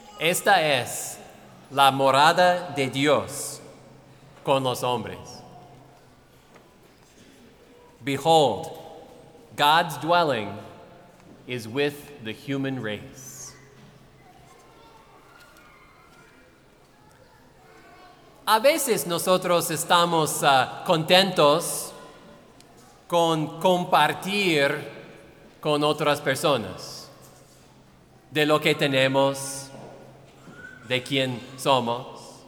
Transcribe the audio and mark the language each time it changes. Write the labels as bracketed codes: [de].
[es] Esta es la morada de Dios con los hombres. [en] Behold, God's dwelling is with the human race. [es] A veces nosotros estamos contentos con compartir con otras personas de lo que tenemos, de quién somos.